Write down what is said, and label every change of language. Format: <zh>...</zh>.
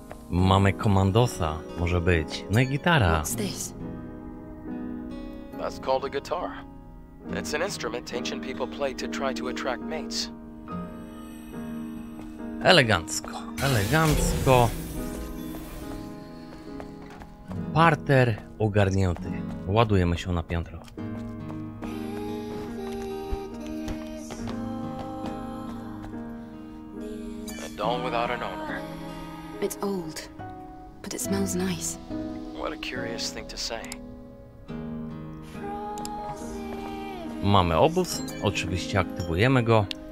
<pl>Mamy komandosa, może być. No i gitara.</pl> <en>What's this? That's called a guitar. It's an instrument ancient people play to try to attract mates.</en> <pl>Elegancko, elegancko. Parter ogarnięty. Ładujemy się na piętro.</pl> <en>A doll without an owner. It's old, but it smells nice. What a curious thing to say.</en> <pl>mamy obóz, oczywiście aktywujemy go.</pl>